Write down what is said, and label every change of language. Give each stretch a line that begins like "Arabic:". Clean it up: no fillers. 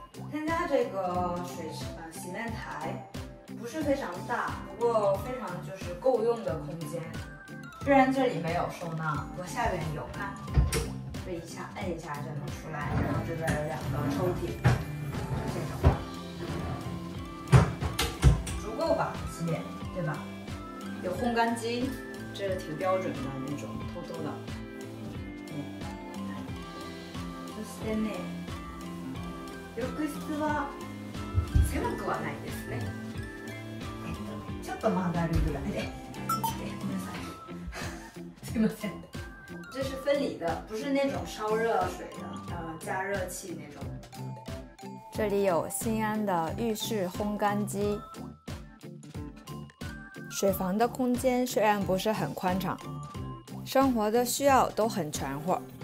Chinese: 他家这个洗面台不是非常大，不过非常就是够用的空间。虽然这里没有收纳，不过下边有啊，这一下摁一下就能出来。然后这边有两个抽屉，这种足够吧，洗脸对吧？有烘干机，这是挺标准的那种，透透的。嗯，
Japanese: そしてね、浴室は狭くはないですね。ちょっと曲がるぐらいで。すいません。
Chinese: 这是分离的，不是那种烧热水的，加热器那种。这里有心安的浴室烘干机。水房的空间虽然不是很宽敞，生活的需要都很全乎。